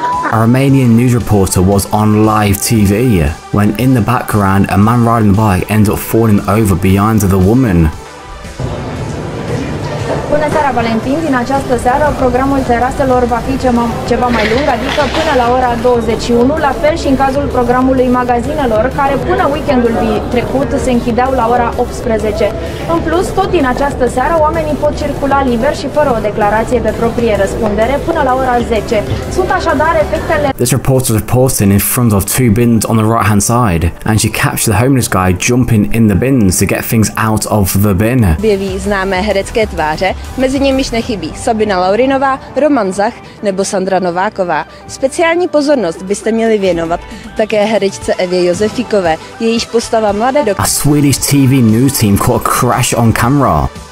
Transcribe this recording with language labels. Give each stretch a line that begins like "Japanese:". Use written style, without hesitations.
English: A Romanian news reporter was on live TV when, in the background, a man riding the bike ends up falling over behind the woman.
Romanian: Bună seara, Valentin. Din această seară, programul teraselor va fi ceva mai lung, adică până la ora 21, la fel și în cazul programului magazinelor, care până weekendul trecut se închideau la ora 18. În plus, tot din această seară, oamenii pot circula liber și fără o declarație pe proprie răspundere până la ora 10. Sunt așadar efectele...
English: This reporter was posting in front of two bins on the right-hand side, and she captured the homeless guy jumping in the bins to get things out of the bin.
Czech: Běví známé herecké tváře. Mezi nimiž nechybí Sabina Laurinová, Roman Zach nebo Sandra Nováková. Speciální pozornost byste měli věnovat také herečce Evě Josefíkové, jejíž postava mladé
English: A Swedish TV news team caught a crash on camera.